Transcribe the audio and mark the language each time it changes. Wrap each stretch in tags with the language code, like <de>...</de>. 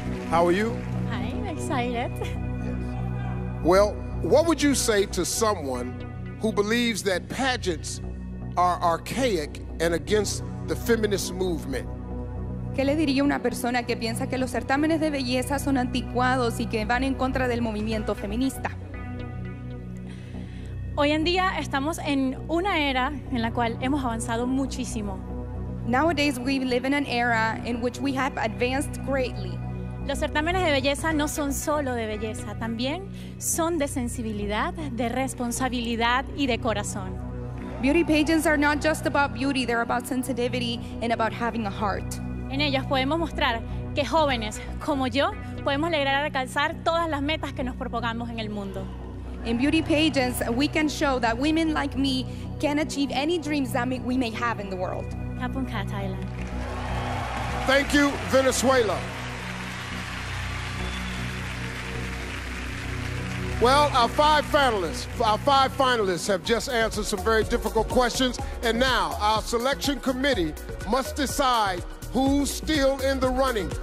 <en>How are you? I'm excited. Yes. Well, what would you say to someone who believes that pageants are archaic and against the feminist movement?</en> <es>¿Qué le diría una persona que piensa que los certámenes de belleza son anticuados y que van en contra del movimiento feminista? Hoy en día estamos en una era en la cual hemos avanzado muchísimo.</es> <en>Nowadays we live in an era in which we have advanced greatly.</en> <es>Los certámenes de belleza no son solo de belleza, también son de sensibilidad, de responsabilidad y de corazón.</es> <en>Beauty pageants are not just about beauty, they're about sensitivity and about having a heart.</en> <es>En ellas podemos mostrar que jóvenes como yo podemos lograr alcanzar todas las metas que nos propongamos en el mundo.</es> <en>In beauty pageants, we can show that women like me can achieve any dreams that we may have in the world.</en> <th>Kapunka, Thailand.</th> <en>Thank you, Venezuela. Well, our five finalists have just answered some very difficult questions, and now our selection committee must decide who's still in the running.</en>